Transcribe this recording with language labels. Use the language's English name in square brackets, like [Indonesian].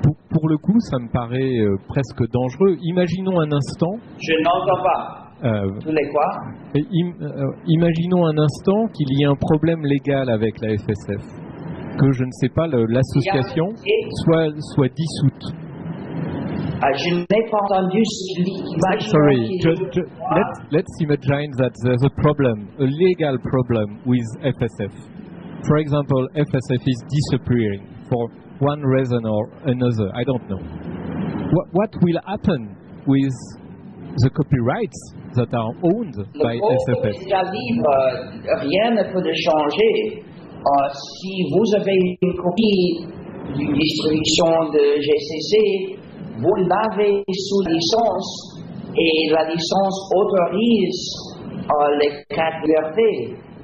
[French] Pour le coup, ça me paraît presque dangereux. Imaginons un instant. Je n'entends pas. Tu les quoi? Imaginons un instant qu'il y ait un problème légal avec la FSF, que je ne sais pas, l'association soit dissoute. Je n'ai pas entendu ce qu'il imagine. [English] Sorry, let's imagine that there's a problem, a legal problem with FSF. For example, FSF is disappearing for one reason or another, I don't know. What will happen with the copyrights that are owned by SFS? [French] Le droit de la libre, rien ne peut changer. Si vous avez une copie d'une distribution de GCC, vous l'avez sous licence et la licence autorise les quatre libertés.